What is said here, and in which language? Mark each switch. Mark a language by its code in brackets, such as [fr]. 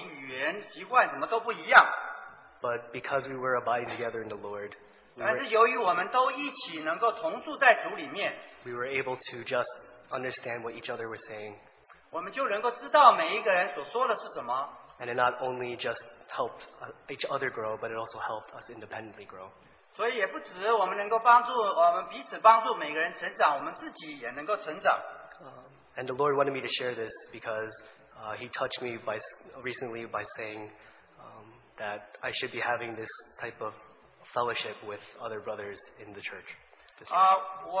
[zh] 在那个时间，我们这样的交通的时候，我最摸着了，就是说，其实我们每个人当中好像有一个鸿沟，因为我们的文化背景、语言、习惯什么都不一样。 [en] But because we were abiding together in the Lord, we were able to just understand what each other was saying. And it not only just helped each other grow, but it also helped us independently grow. [zh] 所以也不止我们能够帮助彼此帮助每个人成长，我们自己也能够成长。 [en] And the Lord wanted me to share this because He touched me recently by saying that I should be having this type of fellowship with other brothers in the church.